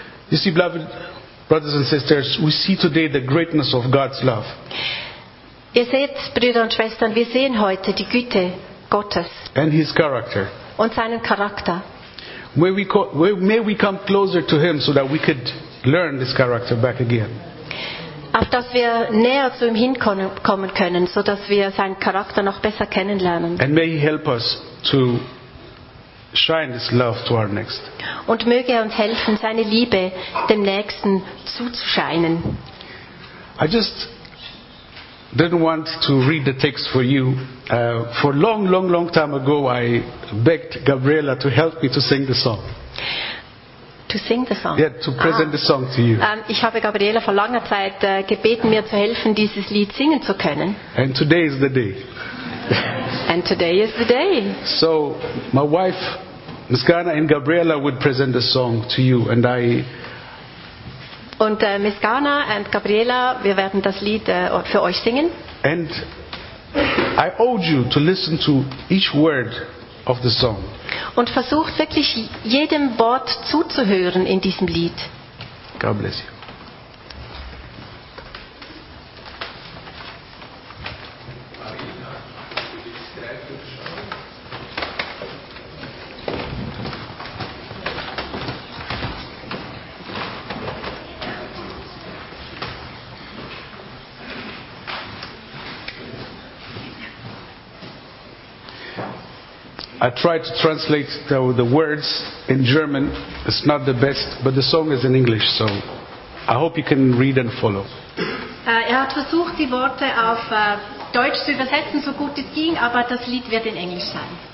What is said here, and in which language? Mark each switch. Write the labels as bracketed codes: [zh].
[en] You see, beloved brothers and sisters, we see today the greatness of God's love. [de] Ihr seht, Brüder und Schwestern, wir sehen heute die Güte Gottes [en] and his character [de] und seinen Charakter. [en] May we come closer to him so that we could learn this character back again. [de] Auf dass wir näher zu ihm hinkommen können, so dass wir seinen Charakter noch besser kennenlernen. [en] And may he help us to shine this love to our next. [de] Und möge er uns helfen, seine Liebe dem Nächsten zuzuscheinen. [en] I just didn't want to read the text for you. For long, long, long time ago, I begged Gabriela to help me to sing the song. To sing the song? Yeah, to present the song to you. [de] Ich habe Gabriela vor langer Zeit gebeten, mir zu helfen, dieses Lied singen zu können. [en] And today is the day. And today is the day. So, my wife, Ms. Ghana, and Gabriela would present the song to you, and I [de] Und Miss Ghana und Gabriela, wir werden das Lied für euch singen. [en] And I urge you to listen to each word of the song. [de] Und versucht wirklich jedem Wort zuzuhören in diesem Lied. [en] God bless you. I tried to translate the words in German. It's not the best, but the song is in English, so I hope you can read and follow. [de] Er hat versucht, die Worte auf Deutsch zu übersetzen, so gut es ging, aber das Lied wird in Englisch sein.